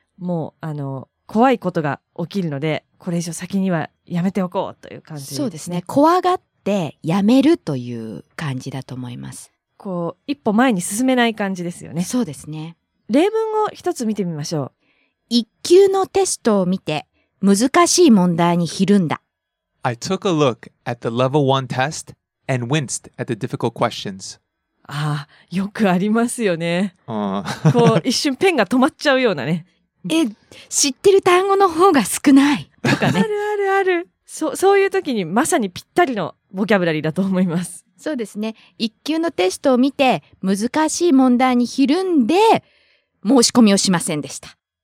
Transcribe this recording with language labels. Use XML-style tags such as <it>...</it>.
<ja>もうあの怖いことが起きるのでこれ以上先にはやめておこうという感じですね。そうですね、怖がってやめるという感じだと思います。こう一歩前に進めない感じですよね。そうですね。例文を一つ見てみましょう。一級のテストを見て難しい問題にひるんだ。</ja> <en>I took a look at the level one test and winced at the difficult questions.</en> <ja>あ、よくありますよね。ああ、こう一瞬ペンが止まっちゃうようなね。え、知ってる単語の方が少ないとかね。あるあるある。そういう時にまさにぴったりのボキャブラリーだと思います。そうですね。一級のテストを見て難しい問題にひるんで申し込みをしませんでした。</ja>